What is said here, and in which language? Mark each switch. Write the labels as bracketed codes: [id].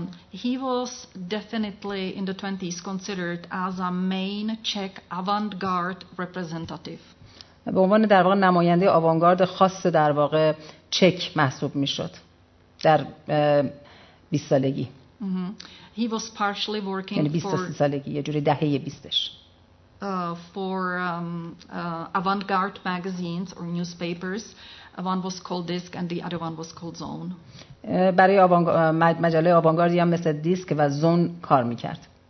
[en] He was definitely in the 20s considered as a main Czech avant-garde representative. [fa] به عنوان در واقع نماینده آوانگارد خاص در واقع چک محسوب میشد در 20 سالگی. [en] He was partially working [fa] for 20 سالگی یا جوری دهه 20 اش. [en] For avant-garde magazines or newspapers. One was called Disc and the other one was called Zone. [fa] برای مجله آوانگاردی هم مثل دیسک و زون کار میکرد.